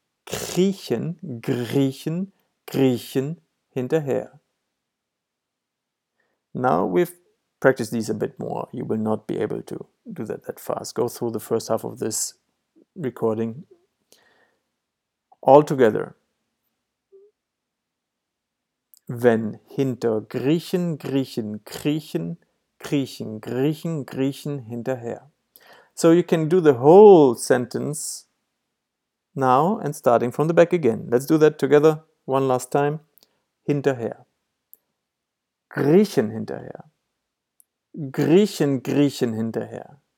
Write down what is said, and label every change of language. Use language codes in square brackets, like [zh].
[de] Kriechen, Griechen, Griechen hinterher. [en] Now we've practiced these a bit more. You will not be able to do that fast. Go through the first half of this recording. All together. [de] Wenn hinter Griechen, Griechen, Kriechen, Kriechen, Griechen, Griechen hinterher. [en] So you can do the whole sentence now and starting from the back again. Let's do that together one last time. [de] Hinterher. Griechen hinterher. Griechen, Griechen hinterher.